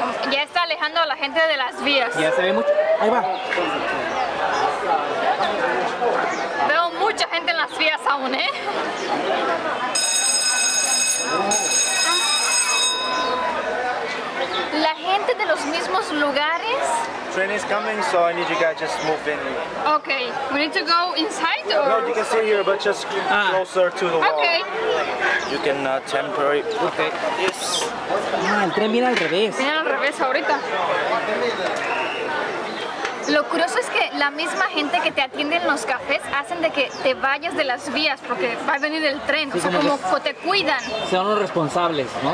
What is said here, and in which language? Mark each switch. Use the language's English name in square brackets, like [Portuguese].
[Spanish] ya está alejando a la gente de las vías. Ya se ve mucho. Ahí va. Veo mucha gente en las vías aún, ¿eh? La gente de los mismos lugares. [English] Train is coming, so I need you guys just move in. Okay, we need to go inside. No, you can stay here, but just closer to the wall. Okay. You can temporary. Okay. Yes. [Spanish] Ah, el tren viene al revés. Viene al revés ahorita. Lo curioso es que la misma gente que te atiende en los cafés hacen de que te vayas de las vías porque va a venir el tren. Sí, o sea, como te cuidan. Son los responsables, ¿no?